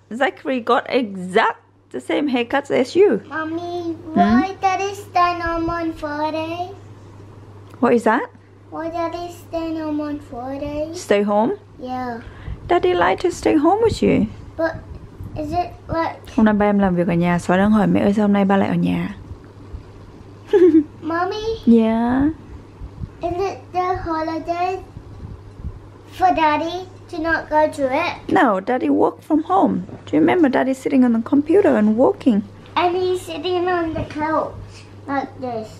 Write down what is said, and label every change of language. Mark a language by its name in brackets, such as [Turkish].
[English] Zachary got exact the same haircuts as you. Mommy, why that is done on Friday? What is that? Why that is done on Friday? Stay home? Yeah. Daddy like to stay home with you. But is it like... [Vietnamese] Hôm nay ba em làm việc ở nhà. Sói đang hỏi mẹ ơi sao hôm nay ba lại ở nhà. [English] Mommy? Yeah. Is it the holiday for Daddy to not go to it? No, Daddy work from home. Do you remember Daddy sitting on the computer and working? And he's sitting on the couch like this.